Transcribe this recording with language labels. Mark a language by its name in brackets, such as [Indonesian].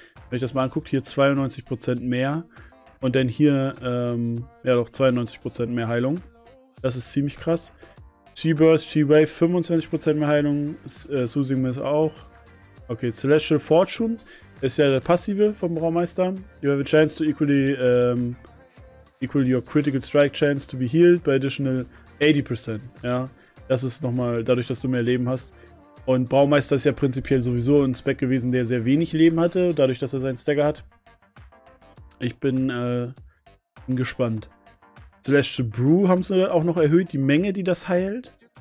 [German] Wenn ich das mal anguckt, hier 92% mehr und dann hier, ja doch, 92% mehr Heilung. Das ist ziemlich krass. G-Burst, G-Wave, 25% mehr Heilung, Soothing Mist auch. Okay, Celestial Fortune ist ja der Passive vom Braumeister. [English] You have a chance to equal your critical strike chance to be healed by additional 80%, [German] ja. Das ist nochmal dadurch, dass du mehr Leben hast. Und Braumeister ist ja prinzipiell sowieso ein Spec gewesen, der sehr wenig Leben hatte, dadurch, dass er seinen Stagger hat. Ich bin gespannt. Celestial Brew haben sie auch noch erhöht, die Menge, die das heilt.